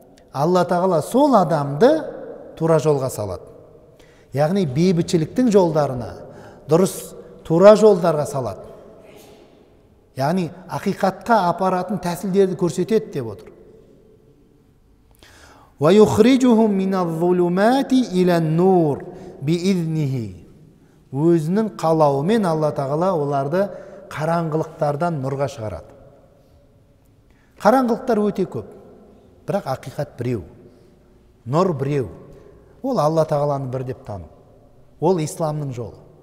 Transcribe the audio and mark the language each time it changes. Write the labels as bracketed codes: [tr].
[kk] Алла Тағала сол адамды тура жолға салады. Яғни бейбітшіліктің жолдарына, дұрыс тура жолдарға салады. Яғни ақиқатқа апаратын тәсілдерді көрсетеді деп отыр. [ar] Ва юхриджухум миназ-зулумати илян-нур биизнихи. [kk] Өзінің қалауымен Алла Тағала оларды қараңғылықтардан нұрға шығарады. Қараңғылықтар өте көп. Бірақ ақиқат біреу. Нұр біреу. Ол Алла Тағаланы бір деп тану. Ол исламның жолы.